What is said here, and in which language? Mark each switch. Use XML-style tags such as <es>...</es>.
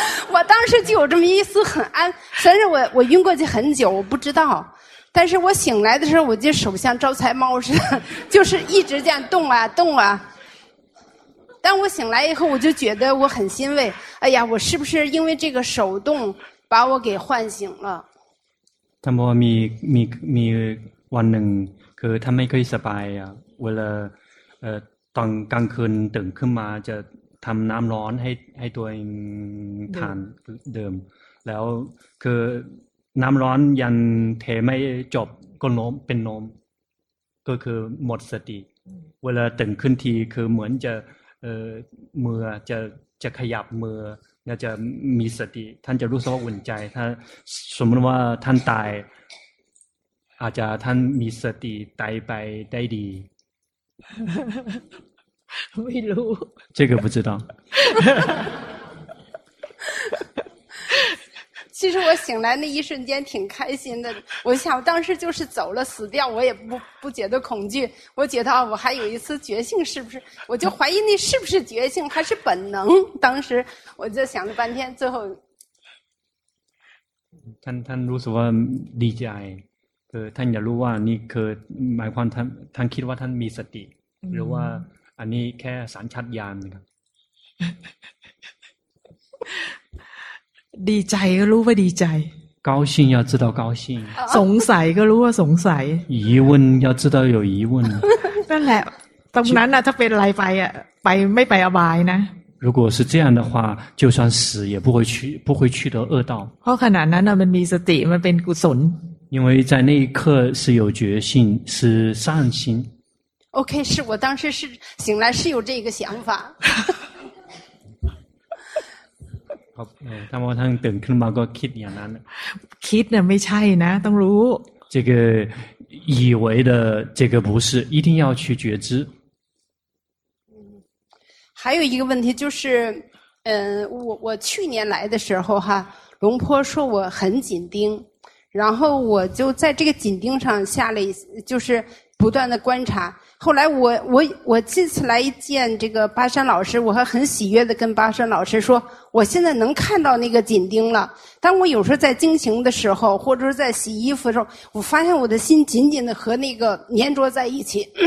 <zh>我当时就有这么一丝很安虽然我晕过去很久我不知道但是我醒来的时候我就手像招财猫似的就是一直这样动啊动啊当我醒来以后我就觉得我很欣慰哎呀我是不是因为这个手动把我给唤醒了他们</zh> <th>มีวันหนึ่งคือท่านไม่เคยสบายอ่ะเวลาตอนกลางคืนตื่นขึ้นมาจะทำน้ำร้อนให้ตัวเองทานเดิมแล้วคือน้ำร้อนยันเทไม่จบก็โน้มเป็นโน้มก็คือหมดสติเวลาตื่นขึ้นทีคือเหมือนจะ มือจะขยับมือและจะมีสติท่านจะรู้สึกอุ่นใจถ้าสมมติว่าท่านตายอาจจะท่านมีสติตายไปได้ดี</th> <zh>没录这个不知道其实我醒来那一瞬间挺开心的我想当时就是走了死掉我也不觉得恐惧我觉得我还有一次觉性是不是我就怀疑那是不是觉性还是本能当时我就想了半天最后</zh> <th>ท่านรู้สึกว่าดีใจคือท่านอยากรู้ว่านี่คือหมายความท่านคิดว่าท่านมีสติหรือว่าอันนี้แค่สัญชาตญาณนะครับ ดีใจก็รู้ว่าดีใจ</th> <zh>高兴要知道高兴</zh> <th>สงสัยก็รู้ว่าสงสัย</th> <zh>疑问要知道有疑问</zh> <th>นั่นแหละตรงนั้นน่ะถ้าเป็นอะไรไปอ่ะไปไม่ไปอบายนะ</th> <zh>如果是这样的话就算死也不会去不会去得恶道</zh> <th>เพราะขณะนั้นน่ะมันมีสติมันเป็นกุศล</th> <zh>因为在那一刻是有决心是善心 OK 是我当时是醒来是有这个想法</zh> <th>ถ้าว่าท่านตื่นขึ้นมาก็คิดอย่างนั้น คิดน่ะไม่ใช่นะต้องรู้</th> <zh>这个以为的这个不是一定要去觉知还有一个问题就是我去年来的时候哈龙坡说我很紧盯然后我就在这个紧盯上下了一就是不断的观察后来我这次来见这个巴山老师我还很喜悦的跟巴山老师说我现在能看到那个紧盯了当我有时候在经行的时候或者是在洗衣服的时候我发现我的心紧紧的和那个粘着在一起</zh>